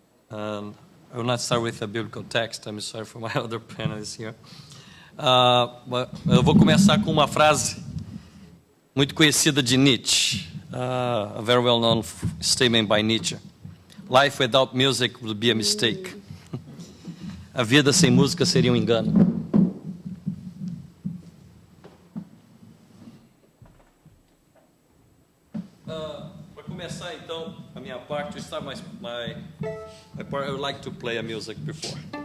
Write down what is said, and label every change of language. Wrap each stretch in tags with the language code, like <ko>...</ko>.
<en>I will not start with a biblical text. I'm sorry for my other panelists here.</en> <pt>Eu vou começar com uma frase muito conhecida de Nietzsche.</pt> <en>A very well-known statement by Nietzsche. Life without music would be a mistake.</en> <pt>A vida sem música seria um engano. Para começar então a minha parte, eu estava</pt> <en>my part. I would like to play a music before.</en>